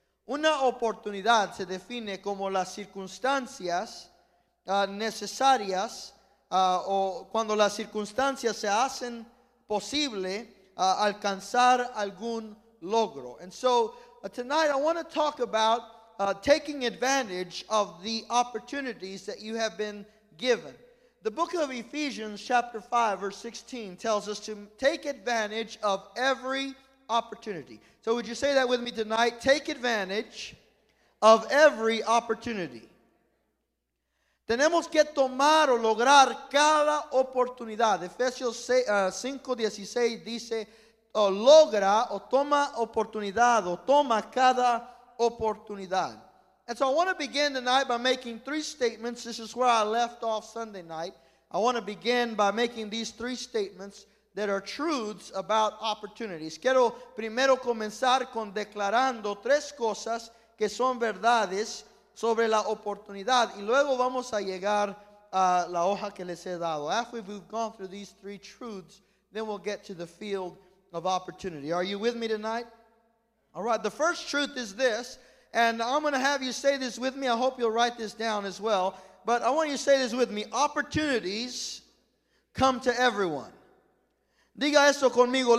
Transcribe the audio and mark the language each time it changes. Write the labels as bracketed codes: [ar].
[es] Una oportunidad se define como las circunstancias necesarias o cuando las circunstancias se hacen posible alcanzar algún logro. [en] And so tonight I want to talk about taking advantage of the opportunities that you have been given. The book of Ephesians chapter 5 verse 16 tells us to take advantage of every opportunity. So would you say that with me tonight? Take advantage of every opportunity. [es] Tenemos que tomar o lograr cada oportunidad. Efesios 5:16 dice, logra o toma oportunidad o toma cada oportunidad. [en] And so I want to begin tonight by making three statements. This is where I left off Sunday night. I want to begin by making these three statements that are truths about opportunities. [es] Quiero primero comenzar con declarando tres cosas que son verdades sobre la oportunidad. Y luego vamos a llegar a la hoja que les he dado. [en] After we've gone through these three truths, then we'll get to the field of opportunity. Are you with me tonight? All right, the first truth is this, and I'm going to have you say this with me. I hope you'll write this down as well. But I want you to say this with me. Opportunities come to everyone. [es] Diga esto conmigo.